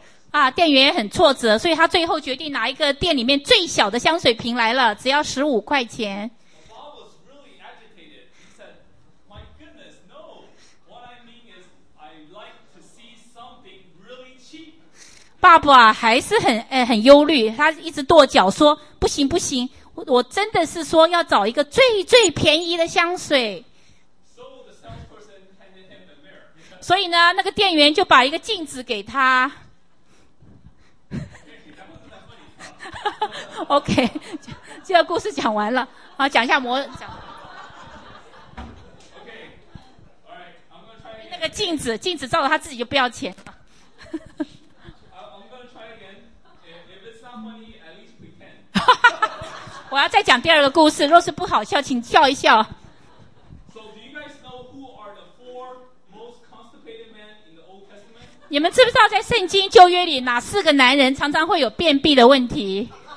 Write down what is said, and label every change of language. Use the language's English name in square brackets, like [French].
[Chinese] 啊，店员也很挫折，所以他最后决定拿一个店里面最小的香水瓶来了，只要15块钱。 [English] Bob was really agitated. He said, "My goodness, no. What I mean is, I like to see something really cheap." [Chinese] Bob 啊，还是很忧虑，他一直跺脚说，不行不行，我真的是说要找一个最最便宜的香水。 [English] So the salesperson handed him the mirror. [Chinese] 所以呢，那个店员就把一个镜子给他。 OK, 这个故事讲完了，好，讲一下魔讲。 [English] OK, alright, [Chinese] 那个镜子照着他自己就不要钱 [English] 了。I'm gonna try again. If it's not funny, at least pretend. [Chinese] 我要再讲第二个故事，若是不好笑，请笑一笑。 [English] So do you guys know who are the four most constipated men in the Old Testament? [Chinese] 你们知不知道在圣经旧约里哪四个男人常常会有便秘的问题？